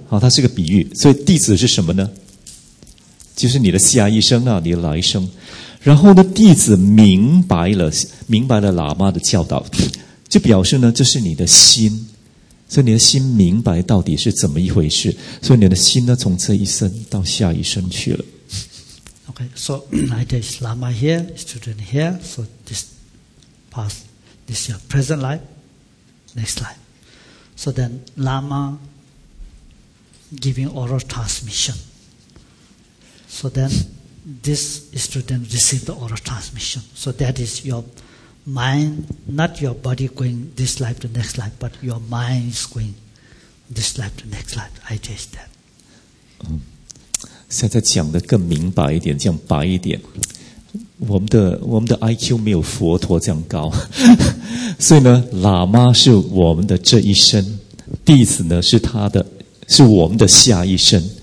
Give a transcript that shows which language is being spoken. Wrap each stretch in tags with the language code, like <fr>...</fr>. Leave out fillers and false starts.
<zh>好，它是个比喻，所以弟子是什么呢？就是你的下一生啊，你的来生。然后呢，弟子明白了，明白了喇嘛的教导。就表示呢，这是你的心，所以你的心明白到底是怎么一回事，所以你的心呢，从这一生到下一生去了。</zh> <en>Okay, so like this, Lama here, student here, so this past, this your present life, next life. So then Lama giving oral transmission. So then this student receive the oral transmission. So that is your. Mind, not your body going this life to next life, but your mind is going this life to next life. I just that.</en> <zh>现在讲的更明白一点，讲白一点。我们的 IQ 没有佛陀这样高，所以呢，喇嘛是我们的这一生，弟子呢是他的，是我们的下一生。</zh>